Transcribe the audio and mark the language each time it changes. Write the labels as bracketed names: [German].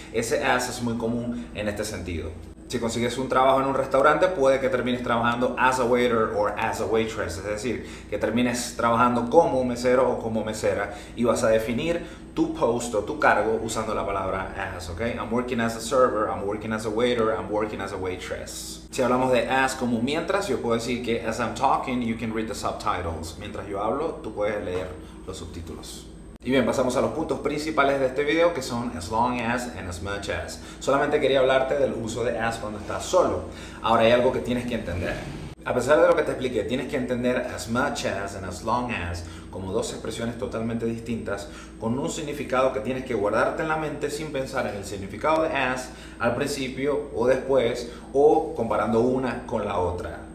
[Spanish] Ese as es muy común en este sentido. Si consigues un trabajo en un restaurante, puede que termines trabajando [English] as a waiter [Spanish] o [English] as a waitress, [Spanish] es decir, que termines trabajando como mesero o como mesera y vas a definir tu post o tu cargo usando la palabra as, ¿ok? [English] I'm working as a server, I'm working as a waiter, I'm working as a waitress. [Spanish] Si hablamos de as como mientras, yo puedo decir que [English] as I'm talking, you can read the subtitles. [Spanish] Mientras yo hablo, tú puedes leer los subtítulos. Y bien, pasamos a los puntos principales de este video, que son as long as and as much as. Solamente quería hablarte del uso de as cuando estás solo. Ahora hay algo que tienes que entender. A pesar de lo que te expliqué, tienes que entender as much as and as long as como dos expresiones totalmente distintas con un significado que tienes que guardarte en la mente sin pensar en el significado de as al principio o después o comparando una con la otra.